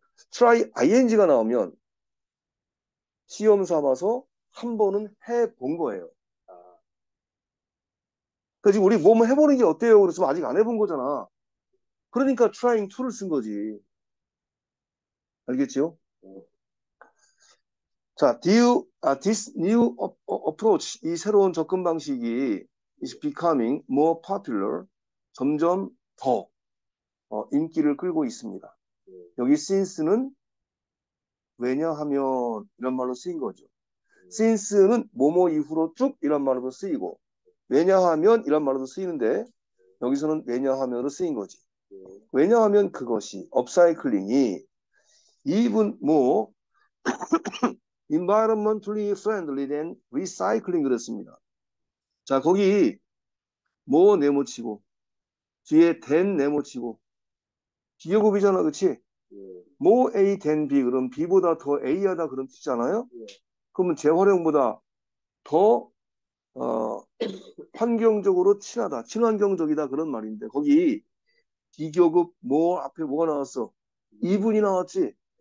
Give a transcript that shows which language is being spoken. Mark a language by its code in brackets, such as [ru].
[ko] try ing가 나오면 시험 삼아서 한 번은 해본 거예요. 그지? 우리 몸 해보는 게 어때요? 그래서 아직 안 해본 거잖아. 그러니까 trying to를 쓴 거지. 알겠지요? [en] 자, this new approach, [ko] 이 새로운 접근 방식이 [en] is becoming more popular. [ko] 점점 더 인기를 끌고 있습니다. 여기 since는 왜냐하면 이런 말로 쓰인 거죠. since는 뭐뭐 이후로 쭉 이런 말로도 쓰이고 왜냐하면 이런 말로도 쓰이는데 여기서는 왜냐하면으로 쓰인 거지. 왜냐하면 그것이 업사이클링이 [en] even more environmentally friendly than recycling [ko] 그랬습니다. 자, 거기 뭐 네모치고 뒤에 than 네모치고 비교급이잖아, 그렇지? more A than B 그럼 B보다 더 A하다 그런 뜻이잖아요. 그러면 재활용보다 더 환경적으로 친하다, 친환경적이다 그런 말인데 거기 비교급 more 앞에 뭐가 나왔어? 이분이 나왔지.